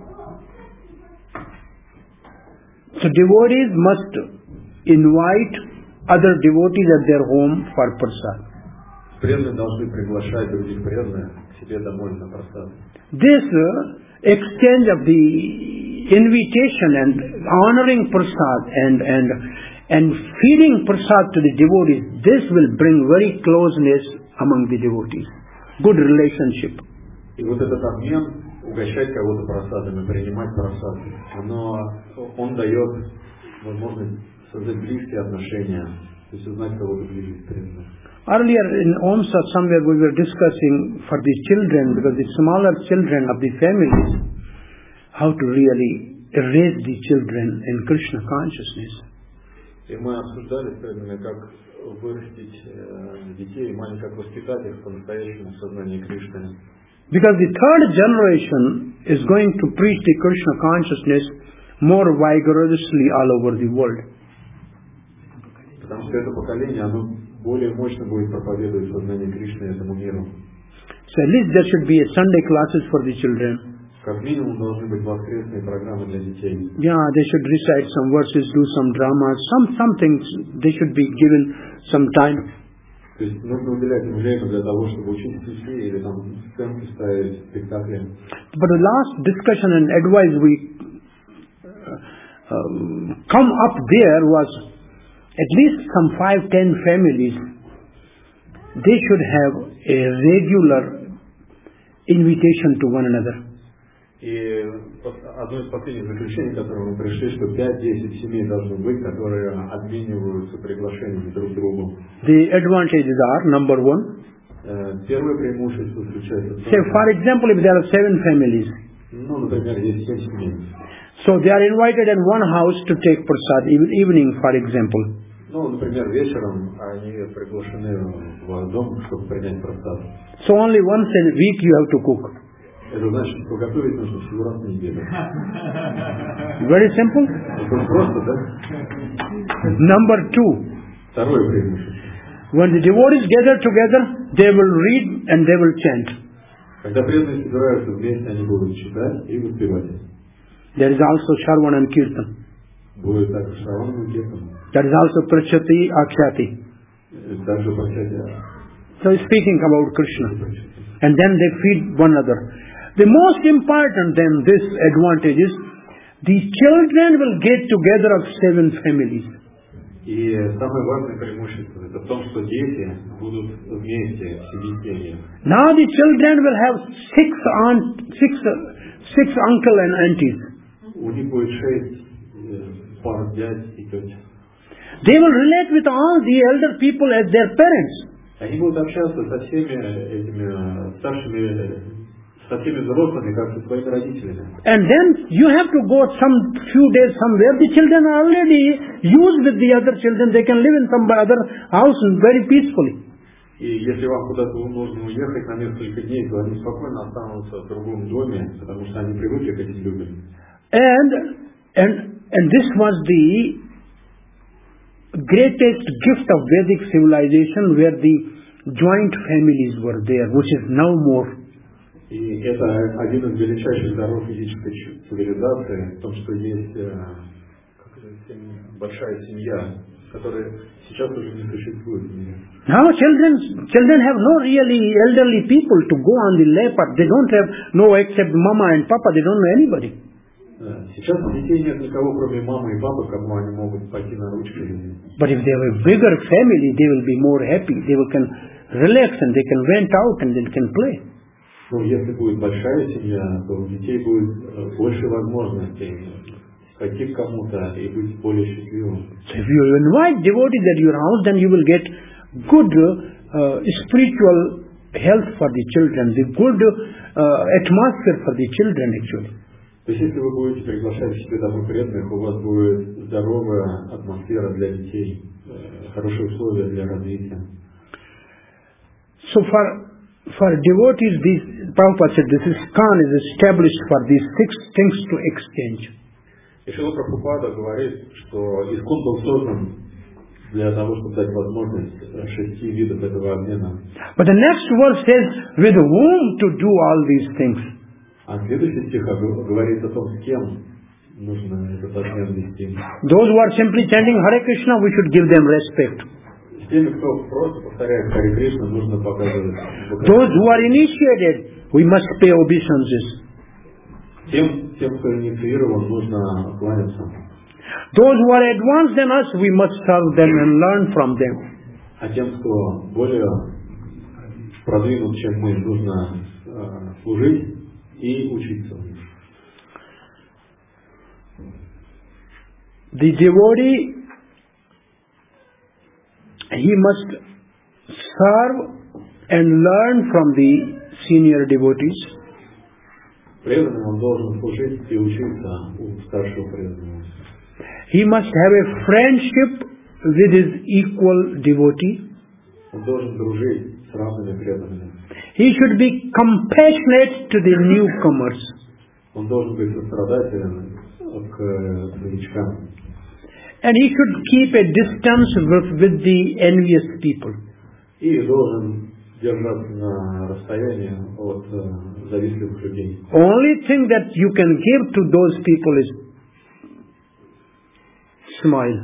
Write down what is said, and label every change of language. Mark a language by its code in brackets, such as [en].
[en] So devotees must invite other devotees at their home for prasad. [ru] Преданные должны приглашать других преданных к себе домой на прасад. [en] This exchange of the invitation and honoring prasad and feeding prasad to the devotees, this will bring very closeness among the devotees, good relationship. [ru] И вот этот обмен угощать кого-то просадами, принимать просады. Оно, он дает возможность создать близкие отношения, то есть узнать кого-то ближе. [en] Earlier in Om Sat somewhere we were discussing for the children, because the smaller children of the families, how to really raise the children in Krishna consciousness. [ru] И мы обсуждали именно как вырастить детей, маленько воспитать их по-настоящему в сознании Кришны. [en] Because the third generation is going to preach the Krishna consciousness more vigorously all over the world. [ru] Потому что это поколение, оно более мощно будет проповедовать сознание Кришны этому миру. [en] So at least there should be a Sunday classes for the children. [ru] Как минимум должны быть воскресные программы для детей. [en] Yeah, they should recite some verses, do some drama, some things. They should be given some time. [ru] То есть нужно уделять им время для того, чтобы учить детей или там сценки ставить, спектакли. [en] But the last discussion and advice we come up there was at least some 5-10 families, they should have a regular invitation to one another. [ru] И одно из последних заключений, к которому мы пришли, что 5-10 семей должны быть, которые обмениваются приглашениями друг к другу. [en] The advantages are, number one. [ru] Первое преимущество заключается в том, [en] say, for example, if there are 7 families. [ru] Ну, например, есть 7 семей. [en] So they are invited at one house to take prasad evening, for example. [ru] Ну, например, вечером они приглашены в дом, чтобы принять прасад. [en] So only once in a week you have to cook. [ru] Это значит, что готовить нужно всего раз в неделю. [en] Very simple. [ru] Это просто, да? [en] Number two. [ru] Второе преимущество. [en] When the devotees gather together, they will read and they will chant. [ru] Когда преданные собираются вместе, они будут читать и воспевать. [en] There is also Sharvan and Kirtan. [ru] Будет также Шраван и Кирсан. [en] That is also Prachati Akshati. So he's speaking about Krishna. And then they feed one another. The most important then, this advantage is, the children will get together of 7 families. Now the children will have 6 aunt, six uncle and aunties. They will relate with all the elder people as their parents. [ru] Они будут общаться со всеми этими старшими, со всеми взрослыми, как со своими родителями. [en] And then you have to go some few days somewhere. The children are already used with the other children. They can live in some other house and very peacefully. [ru] И если вам куда-то нужно уехать на несколько дней, то они спокойно останутся в другом доме, потому что они привыкли к этим людям. [en] And this was the greatest gift of Vedic civilization, where the joint families were there, which is no more. [ru] И это один из величайших даров ведической цивилизации, в том, что есть как это, большая семья, которая сейчас уже не существует. [en] Now children have no really elderly people to go on the lap, but they don't have no except mama and papa. They don't know anybody. [ru] Сейчас у детей нет никого, кроме мамы и папы, кому они могут пойти на ручки. [en] But if they have a bigger family, they will be more happy. They will can relax and they can rent out and they can play. [ru] Ну, если будет большая семья, то у детей будет больше возможностей пойти к кому-то и быть более счастливым. [en] So if you invite devotees at your house, then you will get good spiritual health for the children, the good atmosphere for the children actually. [ru] То есть, если вы будете приглашать себе домой преданных, у вас будет здоровая атмосфера для детей, хорошие условия для развития. [en] So for devotees, this Prabhupada said, this ISKCON is established for these 6 things to exchange. [ru] И Шрила Прабхупада говорит, что ИСККОН был создан для того, чтобы дать возможность 6 видов этого обмена. [en] But the next verse says, with whom to do all these things. [ru] А следующий стих говорит о том, с кем нужно этот обмен вести. [en] Those who are simply chanting Hare Krishna, we should give them respect. [ru] С теми, кто просто повторяет Hare Krishna, нужно показывать. [en] Those who are initiated, we must pay obeisances. [ru] Тем, кто инициирован, нужно кланяться. [en] Those who are advanced than us, we must serve them and learn from them. [ru] А тем, кто более продвинут, чем мы, нужно служить. и учиться. [en] The devotee, he must serve and learn from the senior devotees. [ru] Преданный он должен служить и учиться у старшего преданного. [en] He must have a friendship with his equal devotee. [ru] Он должен дружить с равными преданными. [en] He should be compassionate to the newcomers. [ru] Он должен быть сострадателен к новичкам. [en] And he should keep a distance with the envious people. [ru] И должен держаться на расстоянии от завистливых людей. [en] Only thing that you can give to those people is smile.